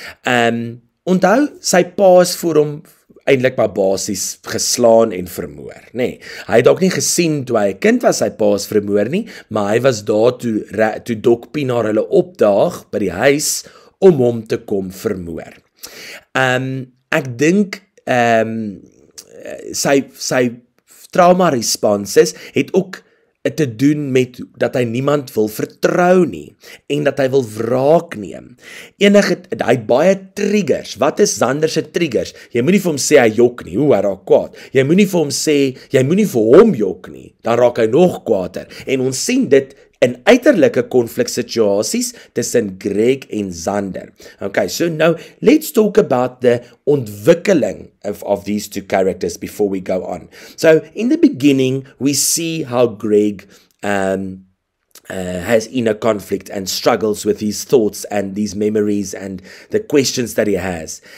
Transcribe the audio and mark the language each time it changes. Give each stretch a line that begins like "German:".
Afrikaans: Onthou, sy pa is voor hom eindelijk maar basis geslaan en vermoor. Nee, hy het ook nie gesien toe hy kind was, sy pa is vermoor nie, maar hy was daar toe Doc Pienaar hulle opdaag by die huis om hom te kom vermoor. Ek dink sy trauma responses het ook te doen met dat hy niemand wil vertrou nie en dat hy wil wraak neem. Enige, hy het baie triggers. Wat is Zander se triggers? Jy moet nie vir hom sê hy jok nie, hoe hy raak kwaad. Jy moet nie vir hom sê, jy moet nie vir hom jok nie, dan raak hy nog kwaader. En ons sien dit in uiterlijke konfliksituasies tussen Greg en Zander.
English: Okay, so now, let's talk about the ontwikkeling of these two characters before we go on. So, in the beginning, we see how Greg has inner conflict and struggles with his thoughts and these memories and the questions that he has.